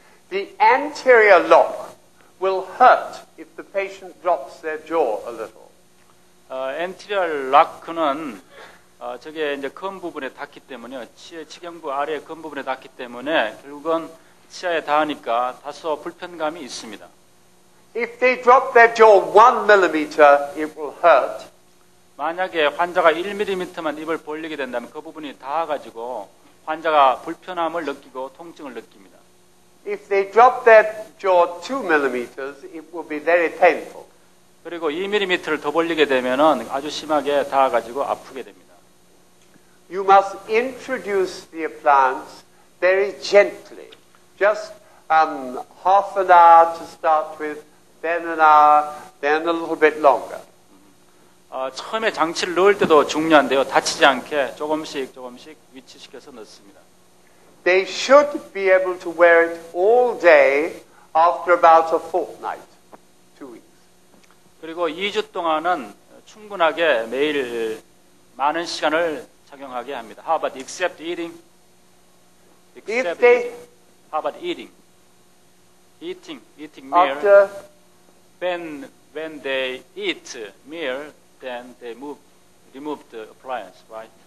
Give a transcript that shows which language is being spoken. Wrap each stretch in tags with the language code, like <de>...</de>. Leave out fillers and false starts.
<en>The anterior lock will hurt if the patient drops their jaw a little.</en> <ko>안테리어 락은 저게 이제 근 부분에 닿기 때문에요. 치의 치경부 아래 근 부분에 닿기 때문에 결국은 치아에 닿으니까 다소 불편감이 있습니다.</ko> <en>If they drop their jaw 1 millimeter, it will hurt.</en> <ko>만약에 환자가 1mm만 입을 벌리게 된다면 그 부분이 닿아가지고 환자가 불편함을 느끼고 통증을 느낍니다.</ko> <en>If they drop their jaw 2 millimeters, it will be very painful.</en> <ko>그리고 2mm를 더 벌리게 되면은 아주 심하게 닿아가지고 아프게 됩니다.</ko> <en>You must introduce the appliance very gently. Just half an hour to start with, then an hour, then a little bit longer.</en> <ko>처음에 장치를 넣을 때도 중요한데요. 다치지 않게 조금씩 위치시켜서 넣습니다.</ko> <en>They should be able to wear it all day after about a fortnight, 2 weeks.</en> <ko>그리고 2주 동안은 충분하게 매일 많은 시간을 착용하게 합니다.</ko> <en>How about except eating? If they, how about eating? eating meal. After when they eat meal, then they remove the appliance, right?</en>